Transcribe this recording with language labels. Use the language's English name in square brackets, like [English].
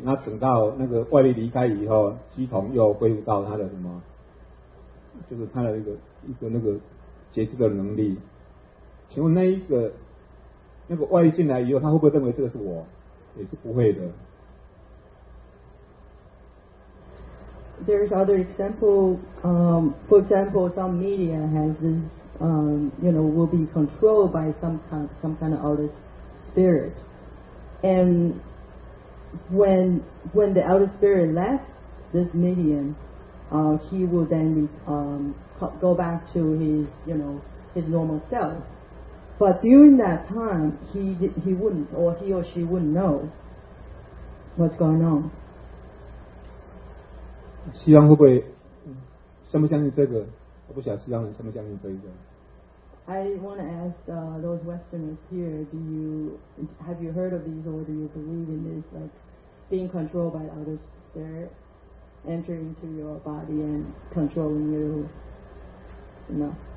[Chinese] 那等到那个外力离开以后，鸡同又恢复到他的什么，就是他的一个那个觉知的能力。请问那个外力进来以后，他会不会认为这个是我？也是不会的。 [English] There's other example, for example, some media has this, you know, will be controlled by some kind of outer spirit. And when the outer spirit left this medium, he will then go back to his, you know, his normal self. But during that time, he wouldn't, or he or she wouldn't know what's going on. [Chinese] 西方会不会相不相信这个？我不晓得西方人相不相信这一个。 [English] I want to ask those Westerners here: have you heard of these, or do you believe in this, like being controlled by other spirit entering into your body and controlling you? No.